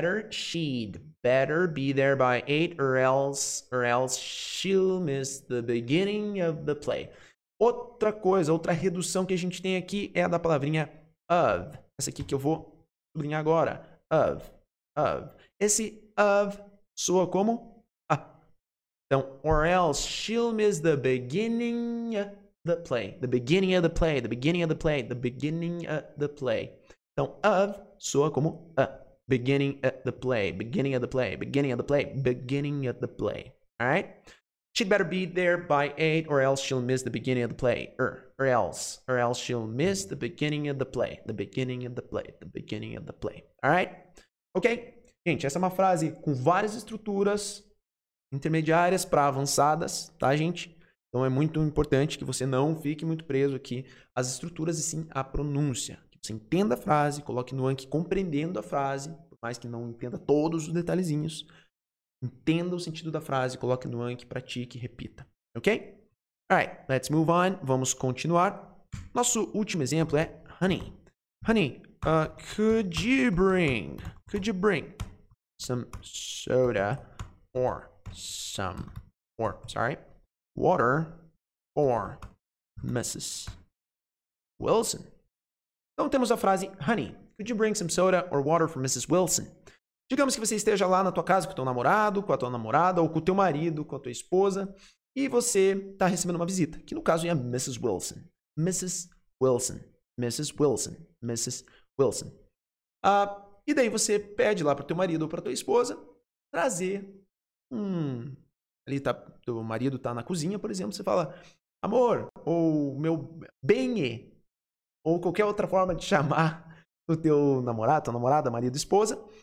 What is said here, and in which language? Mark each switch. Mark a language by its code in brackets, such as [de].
[en] She'd better be there by 8, or else she'll miss the beginning of the play. [pt] Outra coisa, outra redução que a gente tem aqui é a da palavrinha of. Essa aqui que eu vou sublinhar agora. Of. Esse of soa como a. [en] Então, or else she'll miss the beginning of the play. The beginning of the play. The beginning of the play. The beginning of the play. [pt] Então, of soa como a. [en] Beginning of the play. Beginning of the play. Beginning of the play. Beginning of the play. Alright? She'd better be there by 8, or else she'll miss the beginning of the play. Or else she'll miss the beginning of the play. The beginning of the play. The beginning of the play. Alright? Ok? [pt] Gente, essa é uma frase com várias estruturas intermediárias para avançadas, tá, gente? Então é muito importante que você não fique muito preso aqui às estruturas e sim à pronúncia. Que você entenda a frase, coloque no Anki compreendendo a frase, por mais que não entenda todos os detalhezinhos. Entenda o sentido da frase, coloque no Anki, pratique e repita. Ok? [en] Alright, let's move on. [pt] Vamos continuar. Nosso último exemplo é honey. [en] Honey, could you bring some soda or water for Mrs. Wilson? [pt] Então temos a frase [en] honey, could you bring some soda or water for Mrs. Wilson? [pt] Digamos que você esteja lá na tua casa com o teu namorado, com a tua namorada, ou com o teu marido, com a tua esposa, e você está recebendo uma visita, que no caso é a Mrs. [en] Wilson. Mrs. Wilson. Mrs. Wilson. Mrs. Wilson. [pt] E daí você pede lá para o teu marido ou para a tua esposa trazer ali tá, teu marido está na cozinha, por exemplo, você fala, amor, ou meu bem-e, ou qualquer outra forma de chamar o teu namorado, tua namorada, marido, esposa.